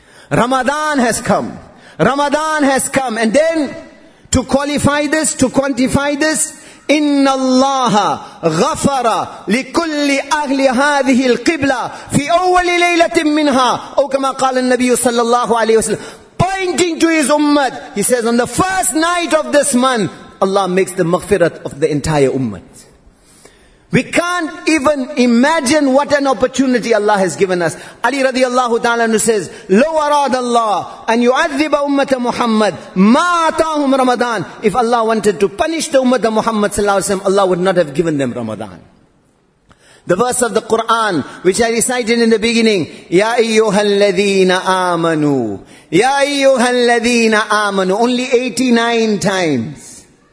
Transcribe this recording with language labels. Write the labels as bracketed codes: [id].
[en] Ramadan has come. Ramadan has come. And then, to qualify this, to quantify this, [ar] إِنَّ اللَّهَ غَفَرَ لِكُلِّ أَهْلِ هَذِهِ الْقِبْلَةِ فِي أَوَّلِ لَيْلَةٍ مِّنْهَا أو كما قال النبي صلى الله عليه وسلم, [en] pointing to his ummah, he says, on the first night of this month, Allah makes the maghfirat of the entire ummah. We can't even imagine what an opportunity Allah has given us. Ali radiallahu ta'ala says, [ar] لو أراد الله أن يعذب أمة محمد ما أعطاهم رمضان. [en] If Allah wanted to punish the ummah of Muhammad sallallahu alaihi wasallam, Allah would not have given them Ramadan. The verse of the Quran, which I recited in the beginning, [ar] Ya ayyuhal ladhina amanu. Ya ayyuhal ladhina amanu. [en] Only 89 times.